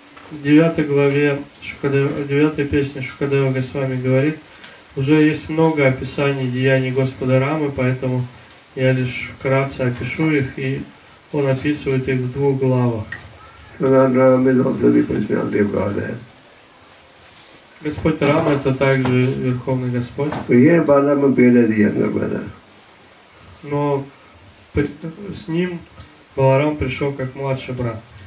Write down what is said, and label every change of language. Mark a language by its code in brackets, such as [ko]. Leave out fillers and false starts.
[ru] В 9 главе, в 9 песне Шукадева Госвами говорит, уже есть много описаний деяний Господа Рамы, поэтому я лишь вкратце опишу их, и он описывает их в двух главах. [en] So Lord Ram is also the personality of Godhead. [ru] Господь Рама – это также Верховный Господь. [en] But here Balaram appeared as the younger brother. [ru] Но с ним Баларам пришел как младший брат.